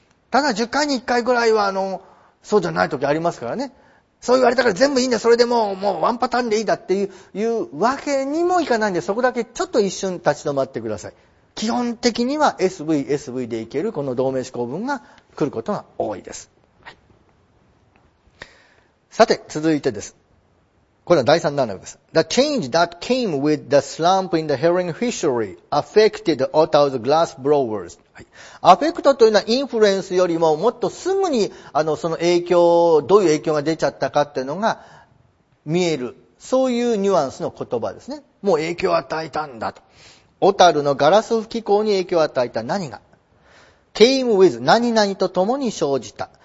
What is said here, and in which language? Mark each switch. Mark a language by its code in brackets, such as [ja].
[ja] ただ10回に1回ぐらいはそうじゃない時ありますからね、そう言われたから全部いいんだ、それでもうワンパターンでいいだっていうわけにもいかないんで、そこだけちょっと一瞬立ち止まってください。基本的には SVSV でいけるこの同名詞構文が来ることが多いです。さて続いてです、これは第三段落です。 [en] The change that came with the slump in the herring fishery affected Ottawa's glass blowers. [ja] はい。アフェクトというのはインフルエンスよりももっとすぐにその影響、どういう影響が出ちゃったかっていうのが見える。そういうニュアンスの言葉ですね。もう影響を与えたんだと。小樽のガラス吹き口に影響を与えた何が ? [en] came with [ja] 何々と共に生じた。